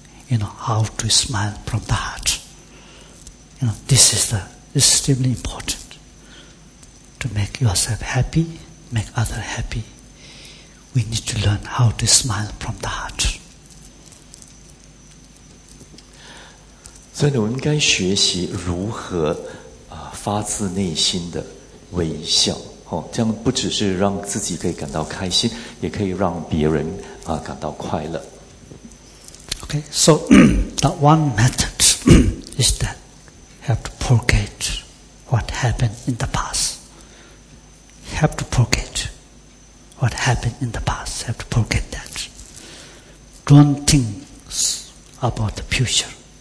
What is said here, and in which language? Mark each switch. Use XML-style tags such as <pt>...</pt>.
<en>You know, how to smile from the heart. You know, this is extremely important to make yourself happy, make others happy. We need to learn how to smile from the heart.</en> <zh>所以我们该学习如何发自内心的微笑，这样不只是让自己可以感到开心，也可以让别人感到快乐。</zh> <en>OK, so the one method is that have to forget what happened in the past. Have to forget what happened in the past. Have to forget that. Don't think about the future.</en>